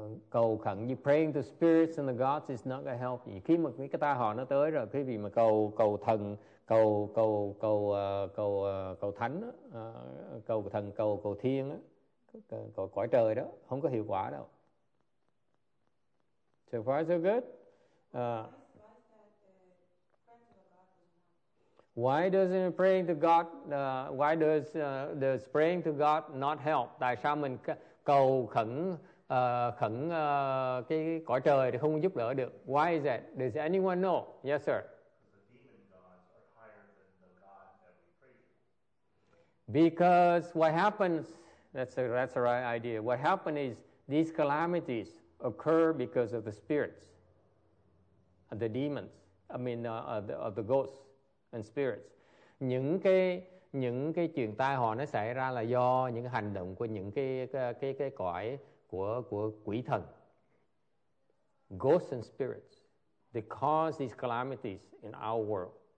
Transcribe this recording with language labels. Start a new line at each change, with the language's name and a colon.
Vietnamese: Cầu khẩn,
English: you praying to spirits and the gods is not gonna help you.
Vietnamese: Khi mà cái tai họa nó tới rồi, quý vị mà cầu thần, cầu thánh, cầu thiên, cầu cõi trời đó, không có hiệu quả đâu.
English: So far so good. Why doesn't praying to God? Why does praying to God not help?
Vietnamese: Tại sao mình cầu khẩn khẩn cái cõi trời thì không giúp đỡ được?
English: Why is that? Does anyone know? Yes, sir. Because what happens? That's a right idea. What happens is these calamities occur because of the spirits, the demons. I mean, the ghosts. And spirits.
Vietnamese: Những cái chuyện tai họa nó xảy ra là do những hành động của những cái cõi của quỷ thần.
English: Ghosts and spirits, they cause these calamities in our world.